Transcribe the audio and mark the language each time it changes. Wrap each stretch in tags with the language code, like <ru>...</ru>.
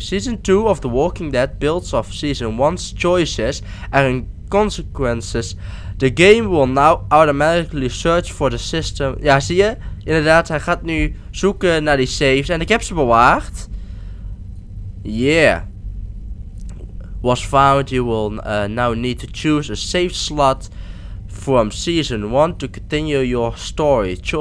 <en>Season 2 of The Walking Dead builds off season 1's choices and consequences. The game will now automatically search for the system.</en> <nl>Ja, zie je? Inderdaad, hij gaat nu zoeken naar die saves. En ik heb ze bewaard. Yeah.</nl> <en>Was found, you will now need to choose a safe slot from season 1 to continue your story.</en>